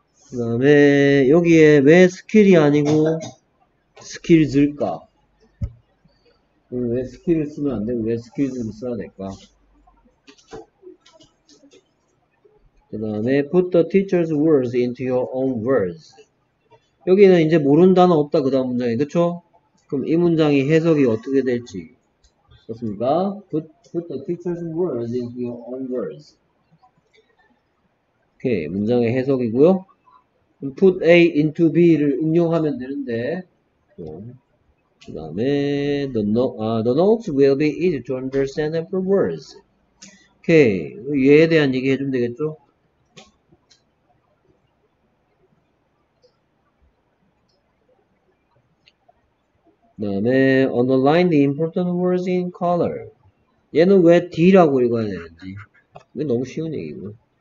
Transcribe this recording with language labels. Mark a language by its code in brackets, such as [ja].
[ko] 그 다음에 여기에 왜 스킬이 아니고 스킬즈일까? 왜 스킬을 쓰면 안 되고 왜 스킬즈를 써야 될까? 그 다음에 [en] put the teacher's words into your own words. [ko] 여기는 이제 모르는 단어 없다 그 다음 문장이 그쵸? 그럼 이 문장이 해석이 어떻게 될지 그렇습니까? [en] put the teacher's words into your own words. [ko] 오케이, 문장의 해석이고요. [en] put A into B를 [ko] 응용하면 되는데 그 다음에 [en] the notes will be easy to understand and for words. [ko] 오케이, 얘에 대한 얘기 해주면 되겠죠? 그 다음에 [en] underline the important words in color. [ko] 얘는 왜 D라고 읽어야 되는지. 이게 너무 쉬운 얘기고요.